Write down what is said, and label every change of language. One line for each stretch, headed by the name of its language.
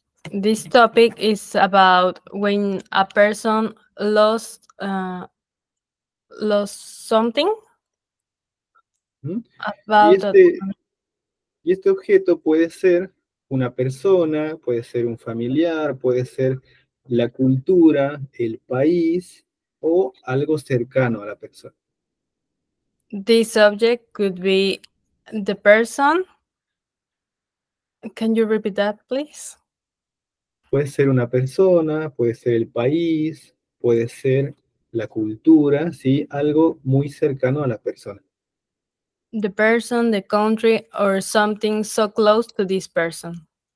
English: This topic is about when a person lost something.
Spanish: Y este objeto puede ser una persona, puede ser un familiar, puede ser la cultura, el país o algo cercano a la persona.
English: This object could be the person. Can you repeat that, please?
Spanish: Puede ser una persona, puede ser el país, puede ser la cultura, sí, algo muy cercano a la persona.
English: The person, the country, or something so close to this person.